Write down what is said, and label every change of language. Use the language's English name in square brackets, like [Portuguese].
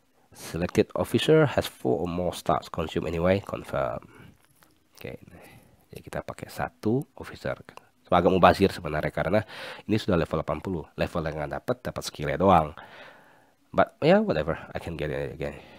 [English] Selected officer has 4 or more stars consume anyway, confirm. [Indonesian] Oke, okay. Jadi kita pakai satu officer. Agak mubazir sebenarnya, karena ini sudah level 80. Level yang nggak dapat, dapat skillnya doang. [English] But yeah, whatever, I can get it again.